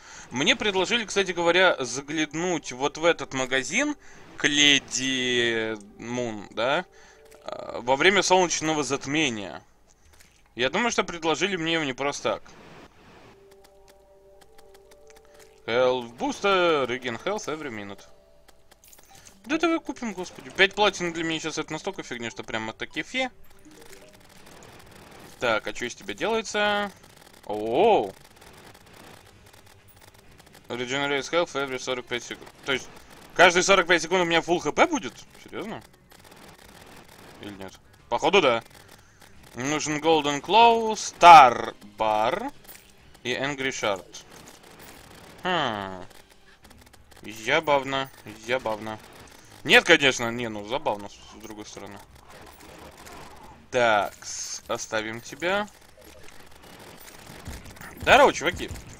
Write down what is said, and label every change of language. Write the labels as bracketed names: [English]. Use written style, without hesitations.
[Russian] Мне предложили, кстати говоря, заглянуть вот в этот магазин к Леди Мун, да, во время солнечного затмения. Я думаю, что предложили мне его не просто так. [English] Health booster, regen health every minute. [Russian] Да давай купим, господи. 5 платин для меня сейчас это настолько фигня, что прямо так кефе. Так, а что из тебя делается? Оу! [English] Regenerates health every 45 секунд. [Russian] То есть, каждые 45 секунд у меня full хп будет? Серьезно? Или нет? Походу да. Нужен Golden Claw, Star Bar и Angry Shard. Забавно, забавно. Нет, конечно, не, ну забавно, с другой стороны. Так, оставим тебя. Здорово, чуваки.